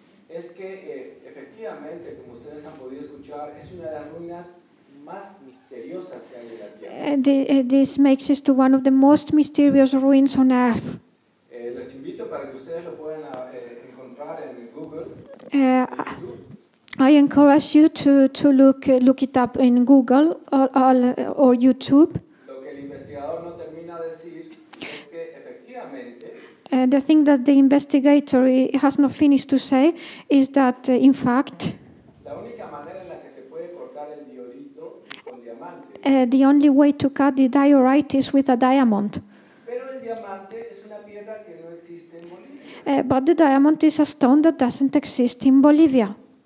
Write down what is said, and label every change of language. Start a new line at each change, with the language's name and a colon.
Spanish: es que efectivamente, como ustedes han podido escuchar, es una de las ruinas más misteriosas que hay en la Tierra.
English: This makes it to one of the most mysterious ruins on Earth.
Spanish: Les invito para que ustedes lo puedan encontrar en Google.
English: I encourage you to look it up in Google or YouTube.
Spanish: Lo que el investigador no termina de decir es que efectivamente,
English: the thing that the investigator has not finished to say is that in fact,
Spanish: la única manera en la que se puede cortar el diorito con diamante,
English: the only way to cut the diorite is with a diamond.
Spanish: Pero el diamante es una piedra que no existe en Bolivia.
English: But the diamond is a stone that doesn't exist in Bolivia.